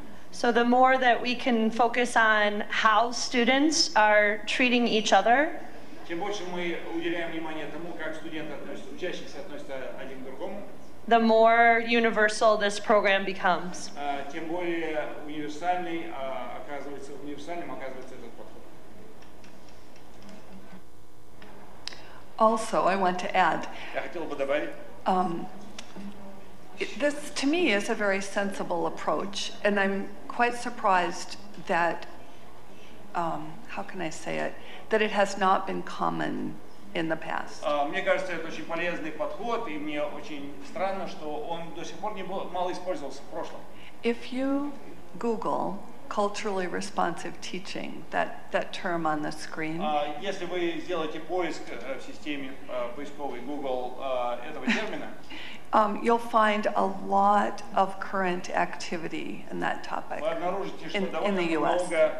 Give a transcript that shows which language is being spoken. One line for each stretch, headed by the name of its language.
English: So the more that we can focus on how students are treating each other,
Russian: чем больше мы уделяем внимание тому, как студенты относятся, учащиеся относятся один к другому,
English: the more universal this program becomes.
Russian: Тем более универсальный, оказывается, универсальным оказывается этот подход.
English: Also, I want to add.
Russian: Я хотел бы добавить.
English: This, to me, is a very sensible approach, and I'm quite surprised that, how can I say it, that it has not been common in the past.
Russian: Мне кажется, это очень полезный подход, и мне очень странно, что он до сих пор не был, мало использовался в прошлом.
English: If you Google culturally responsive teaching, that term on the screen.
Russian: Если вы сделаете поиск в системе поисковой Google этого термина,
English: You'll find a lot of current activity in that topic in the U.S.